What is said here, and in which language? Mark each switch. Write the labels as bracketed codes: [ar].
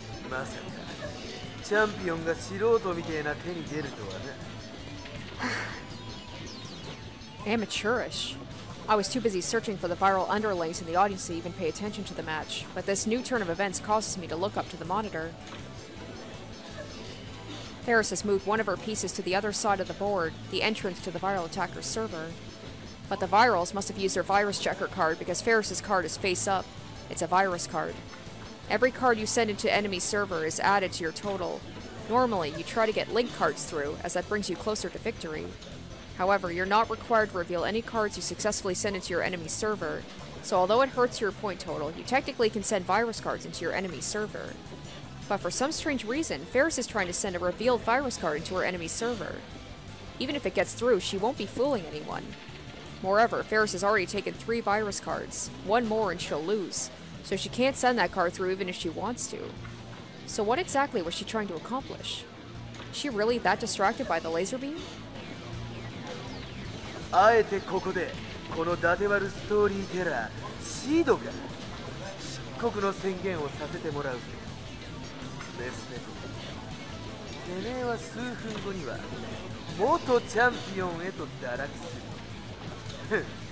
[ja] まさか、チャンピオンが素人みたいな手に出るとはな。 [en] Amateurish. I was too busy searching for the viral underlings in the audience to even pay attention to the match, but this new turn of events causes me to look up to the monitor. Faris has moved one of her pieces to the other side of the board, the entrance to the viral attacker's server. But the virals must have used their virus checker card because Faris's card is face up. It's a virus card. Every card you send into enemy server is added to your total. Normally, you try to get link cards through, as that brings you closer to victory. However, you're not required to reveal any cards you successfully send into your enemy's server, so although it hurts your point total, you technically can send virus cards into your enemy's server. But for some strange reason, Faris is trying to send a revealed virus card into her enemy's server. Even if it gets through, she won't be fooling anyone. Moreover, Faris has already taken 3 virus cards, one more and she'll lose, so she can't send that card through even if she wants to. So what exactly was she trying to accomplish? Is she really that distracted by the laser beam? [ja] あえてここでこのダテワルストーリーテラーシードが漆黒の宣言をさせてもらうぜ。メスネコ、てめえは数分後には元チャンピオンへと堕落する。